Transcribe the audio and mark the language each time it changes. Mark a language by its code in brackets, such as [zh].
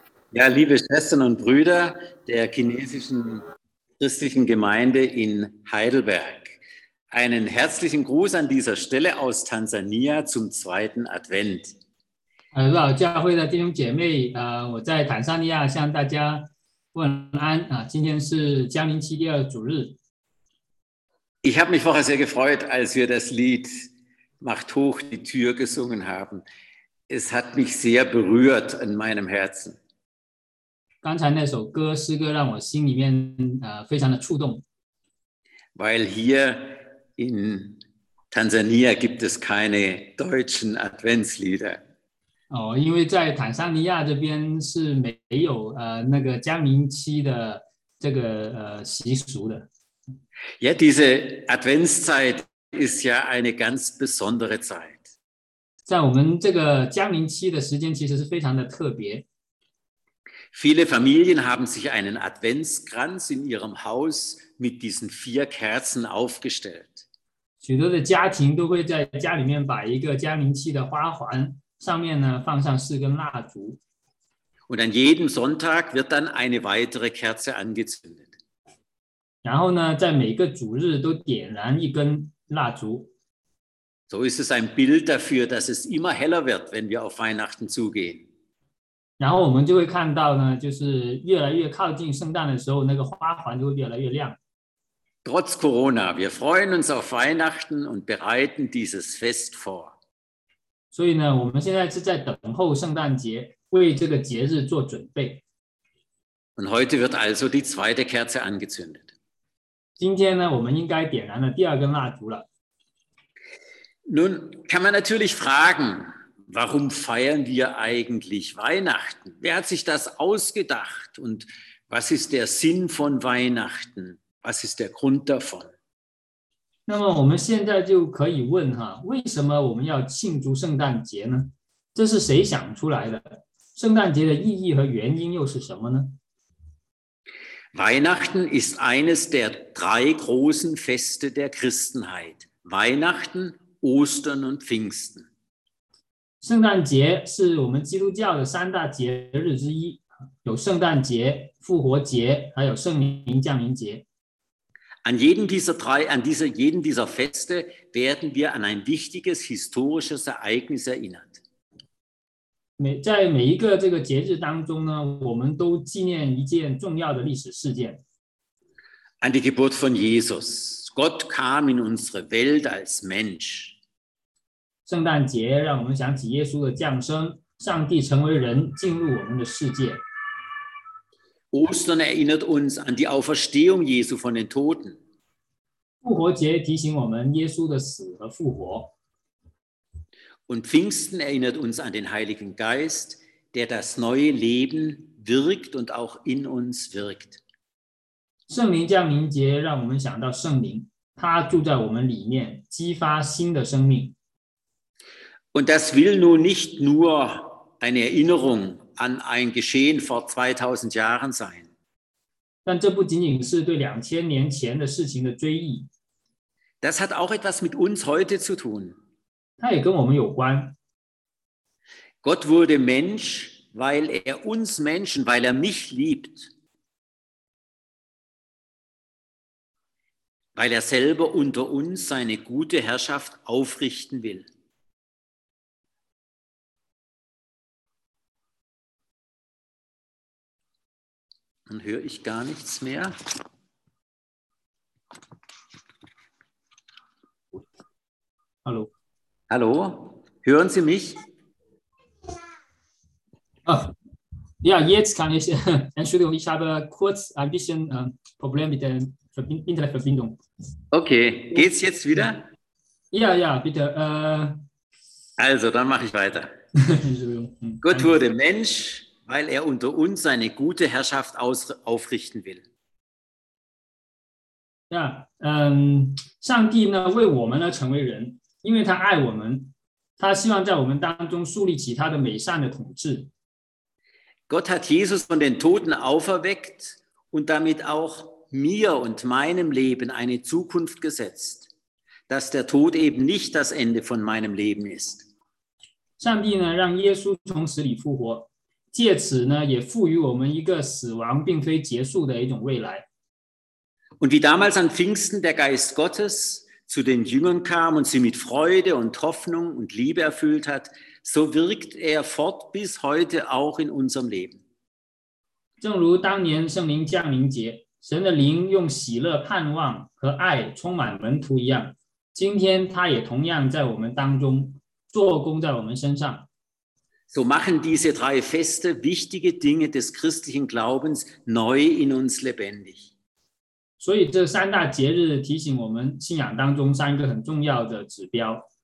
[de] Ja, liebe Schwestern und Brüder der chinesischen christlichen Gemeinde in Heidelberg, einen herzlichen Gruß an dieser Stelle aus Tansania zum zweiten Advent. [zh] 老教会的弟兄姐妹，我在坦桑尼亚向大家问安啊，今天是降临期第二主日。 [de] Ich habe mich vorher sehr gefreut, als wir das Lied "Macht hoch die Tür" gesungen haben. Es hat mich sehr berührt in meinem Herzen. [zh] 刚才那首歌，诗歌让我心里面非常的触动。 [de] Weil hier in Tansania gibt es keine deutschen Adventslieder. [zh] 哦，因为在坦桑尼亚这边是没有那个降临期的这个习俗的。 [de] Ja, diese Adventszeit ist ja eine ganz besondere Zeit. [zh] 在我们这个降临期的时间其实是非常的特别。 [de] Viele Familien haben sich einen Adventskranz in ihrem Haus mit diesen 4 Kerzen aufgestellt. [zh] 许多的家庭都会在家里面把一个降临期的花环上面呢放上4根蜡烛。 [de] Und an jedem Sonntag wird dann eine weitere Kerze angezündet. [zh] 然后呢在每个主日都点燃一根蜡烛。 [de] So ist es ein Bild dafür, dass es immer heller wird, wenn wir auf Weihnachten zugehen. [zh] 然后我们就会看到呢，就是越来越靠近圣诞的时候，那个花环就会越来越亮。 [de] Trotz Corona, wir freuen uns auf Weihnachten und bereiten dieses Fest vor. [zh] 所以呢，我们现在是在等候圣诞节，为这个节日做准备。 [de] Und heute wird also die 2. Kerze angezündet. [zh] 今天呢，我们应该点燃了第二根蜡烛了。 [de] Nun kann man natürlich fragen, warum feiern wir eigentlich Weihnachten? Wer hat sich das ausgedacht? Und was ist der Sinn von Weihnachten? Was ist der Grund davon? [zh] 那么我们现在就可以问哈，为什么我们要庆祝圣诞节呢？这是谁想出来的？圣诞节的意义和原因又是什么呢？ [de] Weihnachten ist eines der 3 großen Feste der Christenheit. Weihnachten. Ostern und Pfingsten. [zh] 圣诞节是我们基督教的3大节日之一，有圣诞节、复活节，还有圣灵降临节。 [de] An jeden dieser Feste werden wir an ein wichtiges historisches Ereignis erinnert. [zh] 在每一个这个节日当中呢，我们都纪念一件重要的历史事件。 [de] An die Geburt von Jesus. Gott kam in unsere Welt als Mensch. [zh] 圣诞节让我们想起耶稣的降生，上帝成为人进入我们的世界。 [de] Ostern erinnert uns an die Auferstehung Jesu von den Toten. [zh] 复活节提醒我们耶稣的死和复活。 [de] Und Pfingsten erinnert uns an den Heiligen Geist, der das neue Leben wirkt und auch in uns wirkt. [zh] 圣灵降临节让我们想到圣灵，他住在我们里面，激发新的生命。 [de] Und das will nun nicht nur eine Erinnerung an ein Geschehen vor 2000 Jahren sein. [zh] 但这不仅仅是对2000年前的事情的追忆。 [de] Das hat auch etwas mit uns heute zu tun. [zh] 它也跟我们有关。 [de] Gott wurde Mensch, weil er uns Menschen, weil er mich liebt. Weil er selber unter uns seine gute Herrschaft aufrichten will. Dann höre ich gar nichts mehr. Hallo, hören Sie mich? Ja, jetzt kann ich, Entschuldigung, ich habe kurz ein bisschen Problem mit der Internetverbindung. Okay, geht's jetzt wieder? Ja, bitte. Also, dann mache ich weiter. Gott wurde Mensch, weil er unter uns seine gute Herrschaft aufrichten will. [zh] Ja, 上帝 呢, 为我们呢, 成为人, 因为他爱我们, 他希望在我们当中树立起他的美善的统治。 [de] Gott hat Jesus von den Toten auferweckt und damit auch mir und meinem Leben eine Zukunft gesetzt, dass der Tod eben nicht das Ende von meinem Leben ist. [zh] 上帝呢让耶稣从死里复活，借此呢也赋予我们一个死亡并非结束的一种未来。 [de] Und wie damals an Pfingsten der Geist Gottes zu den Jüngern kam und sie mit Freude und Hoffnung und Liebe erfüllt hat, so wirkt er fort bis heute auch in unserem Leben. [zh] 正如当年圣灵降临节，神的灵用喜乐、盼望和爱充满门徒一样，今天他也同样在我们当中做工在我们身上。 [de] So machen diese drei Feste wichtige Dinge des christlichen Glaubens neu in uns lebendig. [zh] 所以这三大节日提醒我们信仰当中三个很重要的指标。